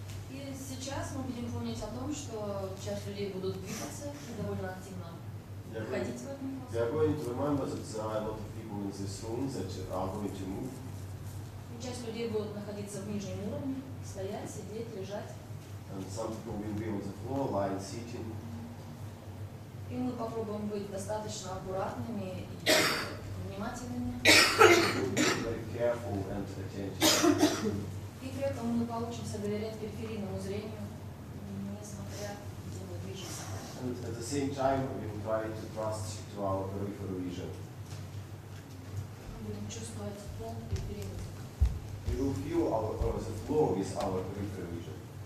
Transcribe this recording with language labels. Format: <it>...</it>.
<ru>И сейчас мы будем помнить о том, что часть людей будут двигаться и довольно активно ходить в этом пространстве.</ru> <en>We are going to remember that there are a lot of people in this room that are going to move.</en> <ru>И часть людей будут находиться в нижнем уровне, стоять, сидеть, лежать.</ru> <en>And some people will be on the floor, lying, sitting.</en> <ru>И мы попробуем быть достаточно аккуратными и внимательными.</ru> <en>Very careful and attentive.</en> <ru>И при этом мы получим доверять периферийному зрению, несмотря где мы движемся.</ru> <en>And at the same time we will try to trust to our peripheral vision.</en> <ru>Мы будем чувствовать пол периферийный.</ru> <en>We will feel our the floor is our peripheral vision.</en>